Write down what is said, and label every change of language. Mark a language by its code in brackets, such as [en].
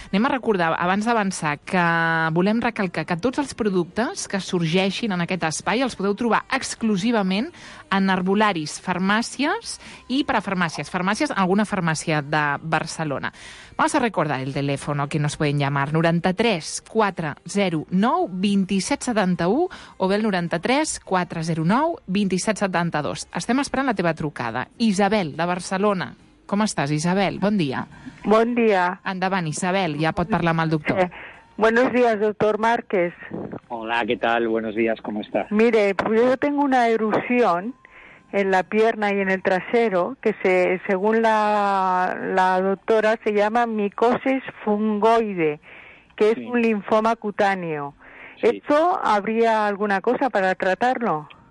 [ca] Anem a recordar, abans d'avançar, que volem recalcar que tots els productes que sorgeixin en aquest espai els podeu trobar exclusivament en herbolaris, farmàcies i per a farmàcies. Farmàcies, alguna farmàcia de Barcelona. [es] Vamos a recordar el teléfono que nos pueden llamar, 93-409-2771 o bé el 93-409-2772. [ca] Estem esperant la teva trucada. Isabel, de Barcelona. Com estàs, Isabel? Bon dia. Bon dia. Endavant, Isabel, ja pot parlar amb el doctor. [es] Buenos días, doctor Márquez. Hola, ¿qué tal? Buenos días, ¿cómo estás? Mire, pues yo tengo una erupción en la pierna y en el trasero que según la doctora se llama micosis fungoide, que es sí. un linfoma cutáneo. Sí. ¿Esto habría alguna cosa para tratarlo?